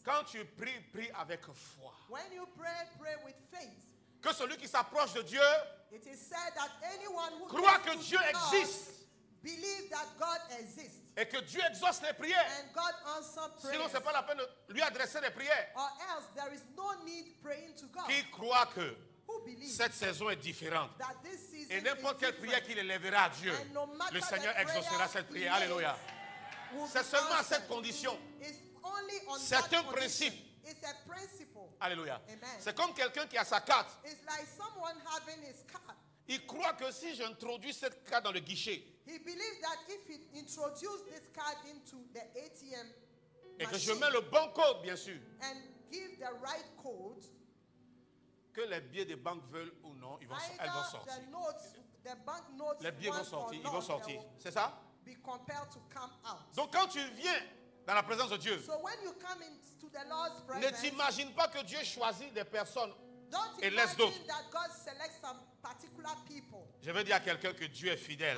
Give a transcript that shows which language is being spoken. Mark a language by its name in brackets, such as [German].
[French] Quand tu pries, prie avec foi. [English] When you pray, pray with faith. [French] Que celui qui s'approche de Dieu [English] it is said that anyone who [French] croit que Dieu existe [English] believe that God exists. [French] Et que Dieu exauce les prières. [English] And God answers prayers. [French] Sinon, ce n'est pas la peine de lui adresser les prières. [English] Or else, there is no need praying to God. [French] Qui croit que [English] who believes [French] cette saison est différente. [English] That this season [French] et n'importe quelle prière qu'il élèvera à Dieu, [English] no [French] le Seigneur exaucera cette prière. Alléluia. C'est seulement à cette condition. [English] Only on [French] c'est [English] that [French] un principe. [English] It's a principle. Alléluia. Amen. [French] C'est comme quelqu'un qui a sa carte. [English] It's like someone having his card. [French] Il croit que si j'introduis cette carte dans le guichet, [English] he believes that if he introduces this card into the ATM machine, [French] et que je mets le bon code, bien sûr, [English] and give the right code, [French] que les billets des banques veulent ou non, elles vont sortir. [English] The notes, the bank notes [French] les billets vont sortir, ils vont sortir. C'est ça? [English] Be compelled to come out. [French] Donc quand tu viens dans la présence de Dieu, [English] so when you come into the Lord's presence, [French] ne t'imagine pas que Dieu choisit des personnes [English] don't [French] et laisse d'autres. [English] That God selects some particular people. [French] Je veux dire à quelqu'un que Dieu est fidèle.